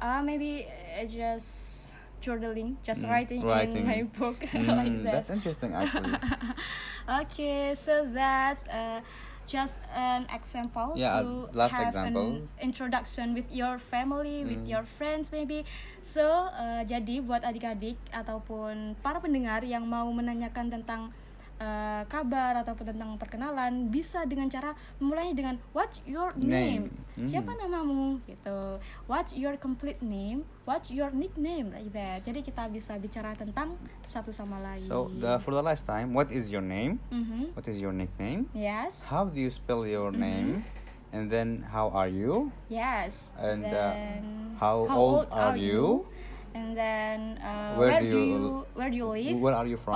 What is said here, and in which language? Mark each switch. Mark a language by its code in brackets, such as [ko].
[en] Maybe just journaling, just writing in my book. Like that. That's interesting, actually. Okay, so that just an example to last have example. An introduction with your family, with your friends maybe. [id] So, jadi buat adik-adik ataupun para pendengar yang mau menanyakan tentang kabar ataupun tentang perkenalan, bisa dengan cara memulai dengan [en] what's your name? [id] Siapa namamu? Gitu. [en] What's your complete name? What's your nickname? Like that. [id] Jadi kita bisa bicara tentang satu sama lain. [en] So, for the last time, what is your name? Mm-hmm. What is your nickname? Yes. How do you spell your name? And then, how are you? Yes. And then, how old are you? And then where do you live? Where are you from?